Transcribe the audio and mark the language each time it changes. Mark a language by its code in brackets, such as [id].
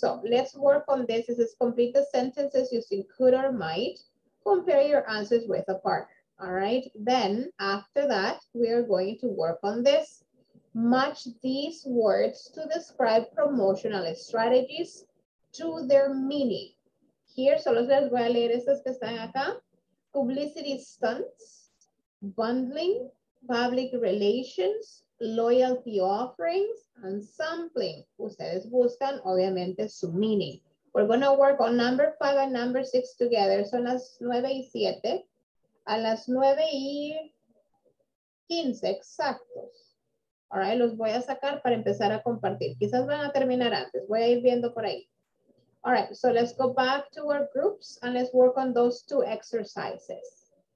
[en] So let's work on this. This is complete the sentences using could or might. Compare your answers with a partner. All right. Then after that, we are going to work on this. Match these words to describe promotional strategies to their meaning. [es] Here, solo les voy a leer estas que están acá. [en] Publicity stunts, bundling, public relations, loyalty offerings, and sampling. [es] Ustedes buscan, obviamente, su [en] meaning. We're going to work on number 5 and number 6 together. [es] Son las 9 y 7. A las 9 y 15, exactos. [en] All right, [es] los voy a sacar para empezar a compartir. Quizás van a terminar antes. Voy a ir viendo por ahí. [en] All right, so let's go back to our groups and let's work on those two exercises.